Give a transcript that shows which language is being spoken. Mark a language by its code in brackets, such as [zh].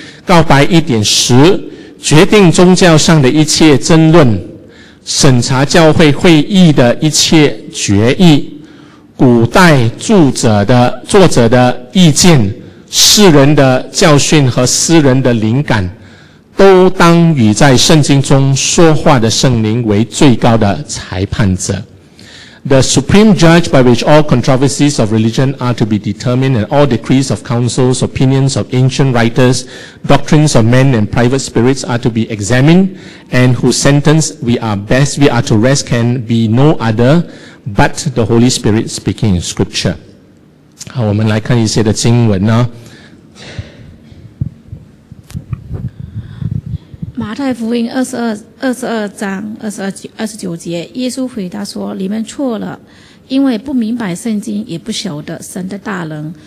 [zh] 告白 1.10， 决定宗教上的一切争论，审查教会会议的一切决议，古代作者的意见，世人的教训和私人的灵感，都当与在圣经中说话的圣灵为最高的裁判者。 [en] The supreme judge by which all controversies of religion are to be determined and all decrees of councils, opinions of ancient writers, doctrines of men and private spirits are to be examined and whose sentence we are to rest can be no other but the Holy Spirit speaking in scripture. [zh] 好，我们来看一些的经文呢。马太福音22章29节，耶稣回答说，你们错了，因为不明白圣经，也不晓得神的大能。